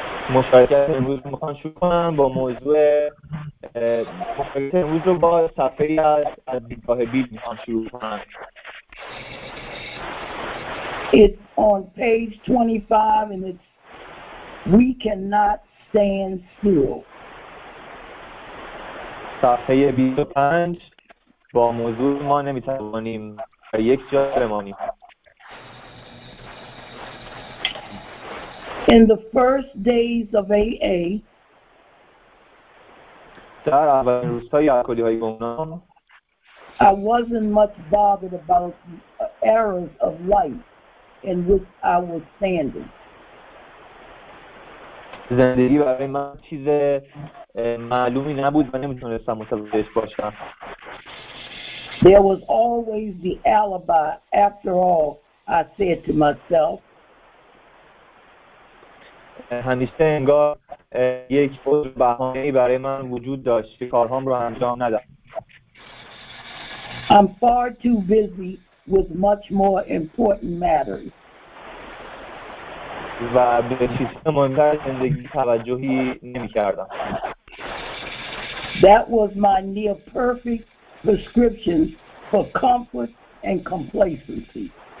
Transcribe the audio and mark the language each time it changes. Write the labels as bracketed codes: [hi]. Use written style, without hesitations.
[fa] مشارکت امروز میخوان شروع کنم با موضوع مشارکت امروز رو با صفحه از دیدگاه بیل میخوان شروع کنم. [en] It's on page 25 and it's We cannot stand still. [fa] صفحه 25 با موضوع ما نمیتوانیم یک جا بمانیم. [en] In the first days of AA, [fa] در اولین روزهای الکلی های گمنام, [en] I wasn't much bothered about the errors of life in which I was standing. [fa] زندگی برای من چیز معلومی نبود و نمیتونستم متوجهش باشم. [en] There was always the alibi, after all, I said to myself. [fa] همیشه انگار یک عذر بهانه‌ای برای من وجود داشت که کارهام رو انجام ندم. [en] I'm far too busy with much more important matters. [fa] و به چیزهای مهمتر زندگی توجهی نمی‌کردم. [en] That was my near perfect prescription for comfort and complacency.